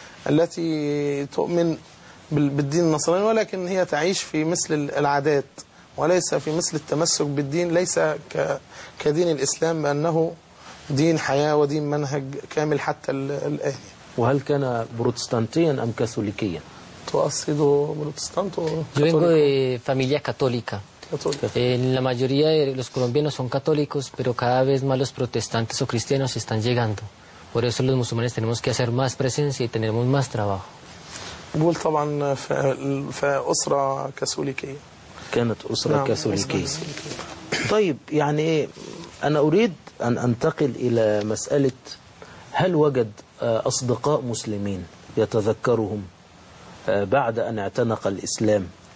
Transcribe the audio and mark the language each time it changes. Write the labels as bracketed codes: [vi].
[ar] التي تؤمن بالدين النصراني ولكن هي تعيش في مثل العادات وليس في مثل التمسك بالدين ليس كدين الإسلام بأنه دين حياة ودين منهج كامل حتى الآن وهل كان بروتستانتيا أم كاثوليكيا؟ تؤصد بروتستانت أو [es] Yo vengo de familia católica. La mayoría de los colombianos son católicos, pero cada vez más los protestantes o cristianos están llegando. Por eso los musulmanes tenemos que hacer más presencia y tenemos más trabajo. [ar] بقول طبعا في أسرة كاثوليكية. كانت أسرة كاثوليكية. طيب يعني أنا أريد أن أنتقل إلى مسألة هل وجد أصدقاء مسلمين يتذكرهم بعد أن اعتنق الإسلام